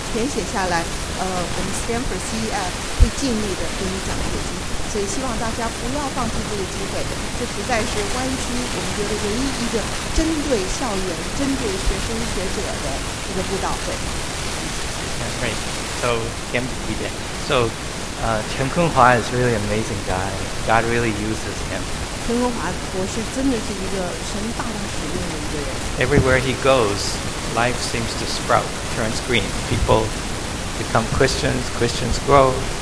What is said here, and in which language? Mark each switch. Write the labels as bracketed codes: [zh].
[zh] 非常的容易，然后在7月31号之前报名呢，我们会有打9折，然后如果你是学生或学者的话，你可以把它填写下来，我们 Stanford CEF 会尽力的给你奖学金，所以希望大家不要放弃这个机会，这实在是湾区我们觉得唯一一个针对校园、针对学生学者的一个布道会。 [en] That's right. So can be there. So. Chen Kunhua is really an amazing guy. God really uses him. [zh] Chen Kunhua 博士真的是一个神大大使用的一个人。 [en] Everywhere he goes, life seems to sprout, turns green. People become Christians, Christians grow.